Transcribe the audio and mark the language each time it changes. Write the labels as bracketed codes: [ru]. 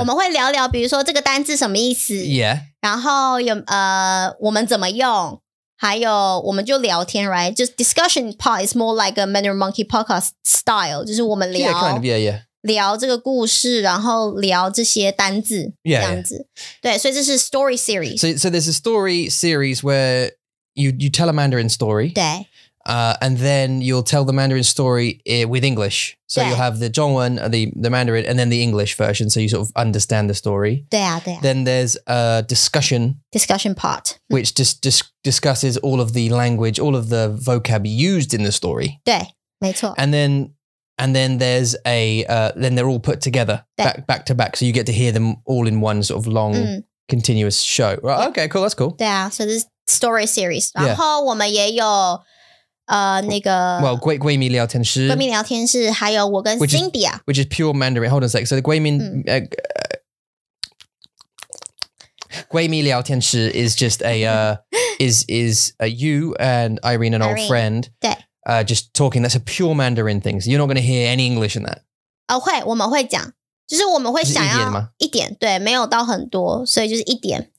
[zh] 我们会聊聊, 比如说这个单字什么意思, [en] yeah. [zh] 然后有, 我们怎么用, 还有我们就聊天, [en] right? Just discussion part is more like a Mandarin Monkey podcast style. [zh] 就是我们聊, [en] yeah, kind of, yeah, yeah. [zh] 聊这个故事, 然后聊这些单字, [en] yeah, [zh] 这样子. [en] Yeah. [zh] 对, 所以这是 story series. [en] So there's a story series where you tell a Mandarin story. [zh] 对。 [en] And then you'll tell the Mandarin story with English. So you'll have the 中文, the Mandarin, and then the English version. So you sort of understand the story. [zh] 对啊。 [en] Then there's a discussion. Discussion part. Which discusses all of the language, all of the vocab used in the story. [zh] 对,没错。 [en] And then there's a, then they're all put together back to back. So you get to hear them all in one sort of long, continuous show. Right, yeah. Okay, cool. That's cool. [zh] 对啊, [en] so this story series. [zh] 然后我们也有... [en] Well, [zh] 闺蜜聊天室, 闺蜜聊天室, 还有我跟 Cindy, [en] which is pure Mandarin. Hold on a sec. So the 闺蜜, 闺蜜聊天室 is just a, you and Irene, an old friend, just talking. That's a pure Mandarin thing. So you're not going to hear any English in that. [zh] 会, 我们会讲, 就是我们会想要一点, 对, 没有到很多, 所以就是一点。